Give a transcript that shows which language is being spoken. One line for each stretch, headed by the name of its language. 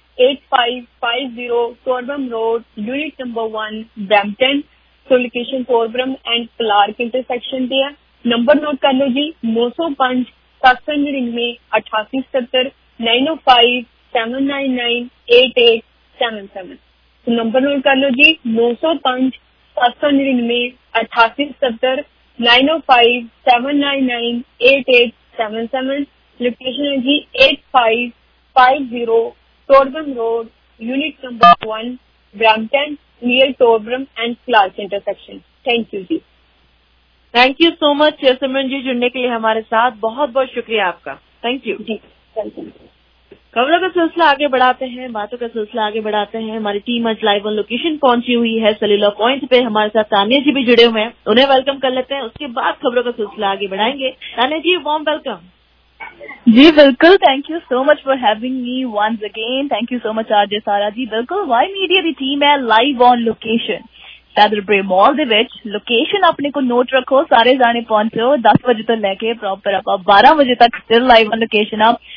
Punjabi: 8550 ਟੋਰਬਮ road unit number 1 Brampton so location ਟੋਰਬਰਮ and Clark intersection ਤੇ ਆ number note ਕਰ ਲਓ ਜੀ 905-799-8877 ਸੋ ਨੰਬਰ ਨੋਟ ਕਰ ਲਓ ਜੀ 905-799-8877 ਲੋਕੇਸ਼ਨ ਹੈ ਜੀ 8550 ਟੋਰਬਮ road unit number 1 Brampton near ਟੋਰਬਰਮ and Clark intersection thank you ਜੀ
Hindi: थैंक यू सो मच सिमरन जी जुड़ने के लिए हमारे साथ बहुत बहुत शुक्रिया आपका थैंक यू खबरों का सिलसिला आगे बढ़ाते हैं बातों का सिलसिला आगे बढ़ाते हैं हमारी टीम आज लाइव ऑन लोकेशन पहुंची हुई है सेलुलर पॉइंट पे हमारे साथ तानिया जी भी जुड़े हुए हैं उन्हें वेलकम कर लेते हैं उसके बाद खबरों का सिलसिला आगे बढ़ाएंगे तानिया जी वार्म वेलकम
English: जी बिल्कुल thank you so much for having me once again thank you so much RJ Sara ji बिल्कुल Y media की team है live on location
Punjabi: ਸੈਦਰਬ੍ਰੇ ਮਾਲ ਦੇ ਵਿੱਚ ਲੋਕੇਸ਼ਨ ਆਪਣੇ ਕੋਲ ਨੋਟ ਰੱਖੋ ਸਾਰੇ ਜਾਣੇ ਪਹੁੰਚੋ 10 ਵਜੇ ਤੋਂ ਲੈ ਕੇ ਪ੍ਰੋਪਰ ਆਪਾਂ 12 ਵਜੇ ਤੱਕ ਸਟਿਲ ਲਾਈਵ ਆਨ ਲੋਕੇਸ਼ਨ ਆ